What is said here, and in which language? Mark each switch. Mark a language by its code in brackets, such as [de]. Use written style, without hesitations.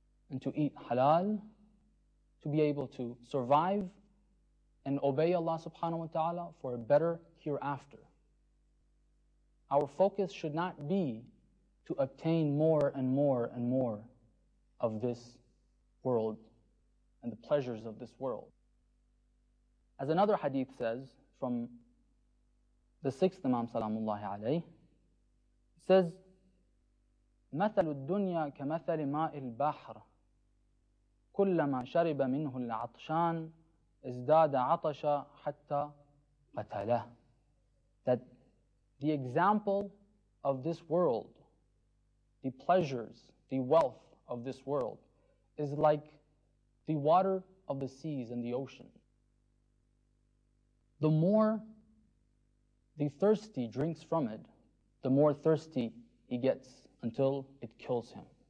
[en] and to eat halal, to be able to survive and obey Allah subhanahu wa ta'ala for a better hereafter. Our focus should not be to obtain more and more and more of this world and the pleasures of this world. As another hadith says from the sixth Imam Salamullahi alayhi, says, [ar] مَثَلُ الدُّنْيَا كَمَثَلِ مَاءِ الْبَحْرِ كُلَّمَا شَرِبَ مِنْهُ الْعَطْشَانِ ازْدَادَ عَطَشَ حَتَّى قَتَلَهُ. [en] That the example of this world, the pleasures, the wealth of this world, is like the water of the seas and the ocean. The more the thirsty drinks from it, the more thirsty he gets until it kills him.